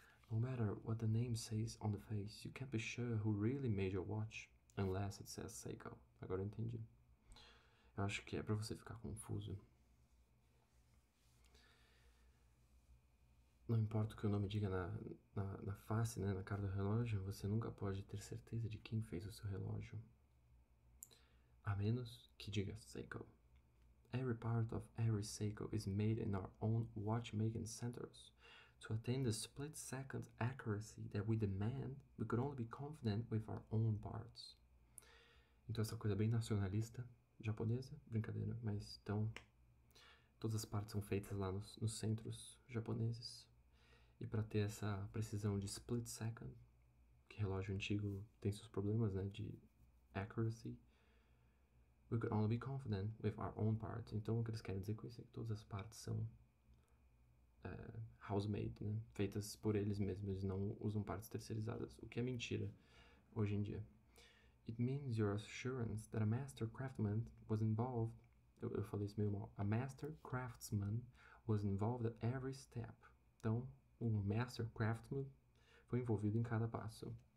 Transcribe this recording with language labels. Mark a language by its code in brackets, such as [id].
[en] No matter what the name says on the face, you can't be sure who really made your watch unless it says Seiko. [pt] Agora eu entendi. Eu acho que é pra você ficar confuso. Não importa o que o nome diga na face, né, na cara do relógio, você nunca pode ter certeza de quem fez o seu relógio. A menos que diga Seiko. [en] Every part of every Seiko is made in our own watchmaking centers. To attain the split-second accuracy that we demand, we could only be confident with our own parts. [pt] Então, essa coisa bem nacionalista, japonesa, brincadeira, mas então, todas as partes são feitas lá nos centros japoneses. E para ter essa precisão de split-second, que relógio antigo tem seus problemas, né, de accuracy. [en] We could only be confident with our own parts. [pt] Então, o que eles querem dizer com isso é que todas as partes são house-made, né? Feitas por eles mesmos, não usam partes terceirizadas, o que é mentira hoje em dia. [en] It means your assurance that a master craftsman was involved. [pt] Eu falei isso meio mal. [en] A master craftsman was involved at every step. [pt] Então, um master craftsman foi envolvido em cada passo.